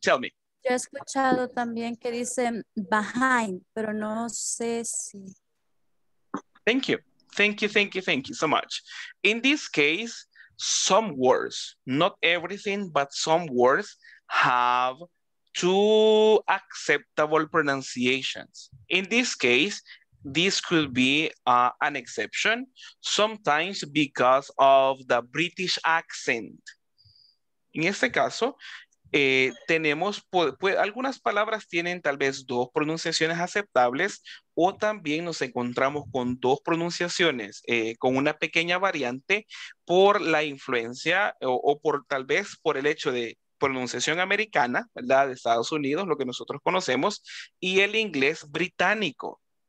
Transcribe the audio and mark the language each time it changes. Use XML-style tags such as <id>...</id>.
<es>Yo he escuchado también que dice behind, pero no sé si.</es> <en>Thank you so much. In this case, some words, not everything, but some words have two acceptable pronunciations. In this case, this could be an exception, sometimes because of the British accent.</en> <es>En este caso, algunas palabras tienen tal vez dos pronunciaciones aceptables, o también nos encontramos con dos pronunciaciones, con una pequeña variante por la influencia o por el hecho de pronunciación americana, ¿verdad? De Estados Unidos, lo que nosotros conocemos, y el inglés británico.</es>